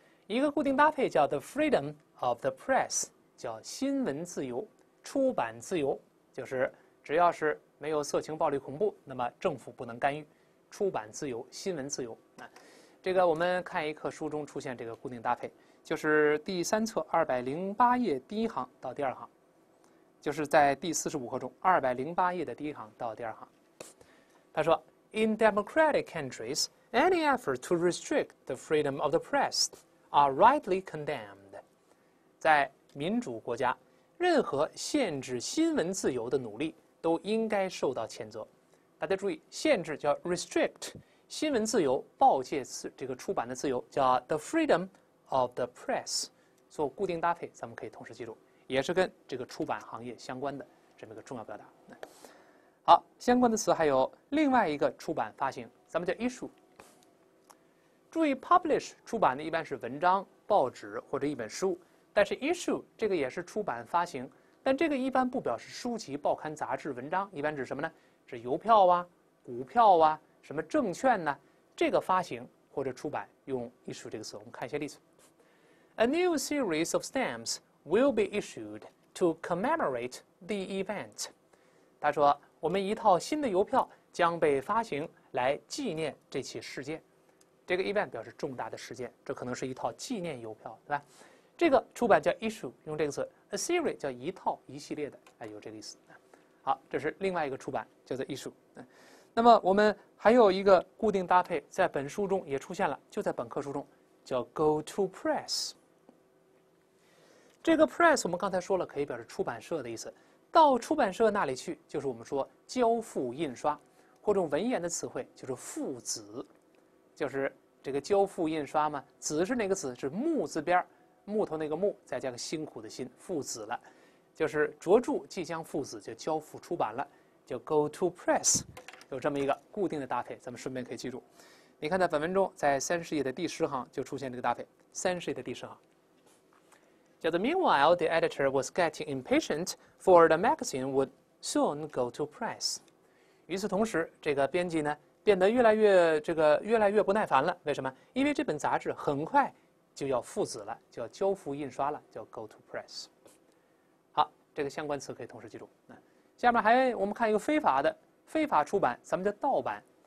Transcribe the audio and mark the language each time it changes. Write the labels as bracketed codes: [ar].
[zh] 一个固定搭配叫 [en] the freedom of the press， [zh] 叫新闻自由、出版自由，就是只要是没有色情、暴力、恐怖，那么政府不能干预。出版自由，新闻自由啊，这个我们看一课书中出现这个固定搭配，就是第三册208页第一行到第二行，就是在第45课中208页的第一行到第二行，他说 [en] ：“In democratic countries, any effort to restrict the freedom of the press are rightly condemned。” [zh] 在民主国家，任何限制新闻自由的努力都应该受到谴责。大家注意，限制叫 restrict， 新闻自由、报界自这个出版的自由叫 [en] the freedom of the press， [zh] 做固定搭配，咱们可以同时记住。也是跟这个出版行业相关的这么一个重要表达。好，相关的词还有另外一个出版发行，咱们叫 issue。注意 publish 出版的一般是文章、报纸或者一本书，但是 issue 这个也是出版发行，但这个一般不表示书籍、报刊、杂志、文章，一般指什么呢？指邮票啊、股票啊、什么证券呢？这个发行或者出版用 issue 这个词。我们看一些例子 ： [en] A new series of stamps。 Will be issued to commemorate the event. [zh] 他说，我们一套新的邮票将被发行来纪念这起事件。这个 event 表示重大的事件，这可能是一套纪念邮票，对吧？这个出版叫 issue， 用这个词 ， [en] a series [zh] 叫一套、一系列的，哎，有这个意思。好，这是另外一个出版叫做 issue。那么我们还有一个固定搭配，在本书中也出现了，就在本科书中，叫 [en] go to press。 [zh] 这个 press 我们刚才说了，可以表示出版社的意思。到出版社那里去，就是我们说交付印刷，或者文言的词汇就是付子，就是这个交付印刷嘛。子是哪个子？是木字边，木头那个木，再加个辛苦的辛，付子了，就是着注即将付子，就交付出版了，就 [en] go to press， [zh] 有这么一个固定的搭配，咱们顺便可以记住。你看在本文中，在30页的第十行就出现这个搭配，30页的第十行。叫做 [en] Meanwhile, the editor was getting impatient for the magazine would soon go to press. [zh] 与此同时，这个编辑呢变得越来越不耐烦了。为什么？因为这本杂志很快就要复子了，就要交付印刷了，叫 [en] go to press。 [zh] 好，这个相关词可以同时记住。下面还我们看一个非法的非法出版，咱们叫盗版。